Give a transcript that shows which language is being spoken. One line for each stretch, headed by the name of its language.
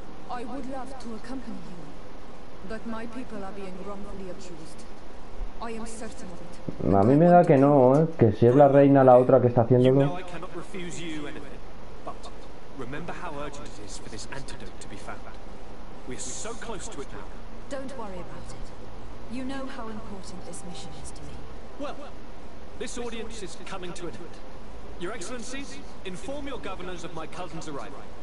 English: I would love to accompany you, but my people are being wrongly accused. I am certain of it.
Spanish: A mí me da que no, que si es la reina la otra que está haciéndolo.
English: I cannot refuse you anything, but remember how urgent it is for this antidote to be found. We are so close to it now. Don't worry about it. You know how important this mission is to me. Well. This audience is coming to an end. Your excellencies, inform your governors of my cousin's arrival.